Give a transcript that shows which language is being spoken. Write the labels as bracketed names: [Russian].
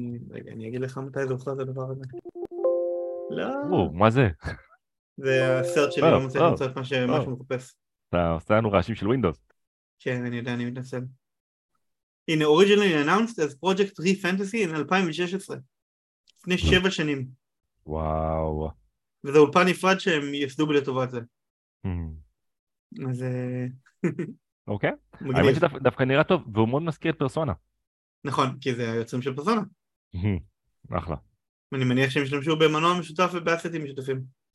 [Hebrew] רגע, אני אגיד לך מתי זה הוכרז הדבר הזה. לא. או, מה זה? זה הסרט שלי, לא מצליח למצוא את מה שמשהו מחפש. אתה עושה לנו רעשים של ווינדוס. כן, אני יודע, אני מתנצל. [English] הנה, originally announced as Project Re Fantasy in 2016. [Hebrew] לפני 7 שנים. וואו. וזה אולפן נפרד שהם יסדו בלי לטובת זה. אז... אוקיי. האמת שדווקא נראה טוב, והוא מאוד מזכיר את פרסונה. נכון, כי זה היוצרים של פרסונה. אחלה. אני מניח שהם ישתמשו במנוע משותף ובאסטים משותפים.